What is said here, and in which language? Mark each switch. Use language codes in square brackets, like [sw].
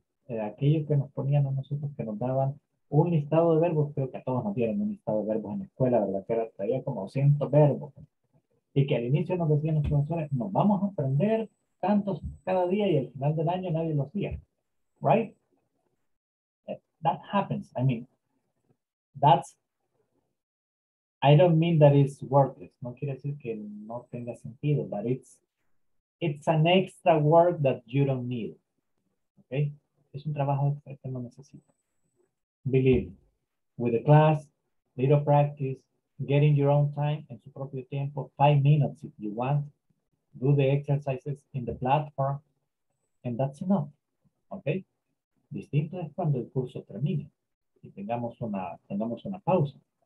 [es] Aquellos que nos ponían a nosotros, que nos daban un listado de verbos, creo que a todos nos dieron un listado de verbos en la escuela, ¿verdad? Que era, traía como 200 verbos. Y que al inicio nos decían los profesores, nos vamos a aprender tantos cada día y al final del año nadie los hacía. [en] Right? That happens. I mean, that's, I don't mean that it's worthless. [es] No quiere decir que no tenga sentido, [en] but it's an extra work that you don't need. Okay? [es] Es un trabajo que no necesita. [en] Believe me. With the class, little practice, getting your own time, [es] en su propio tiempo, [en] 5 minutes if you want, do the exercises in the platform, and that's enough. Okay? [es] Distinto es cuando el curso termine y tengamos una pausa.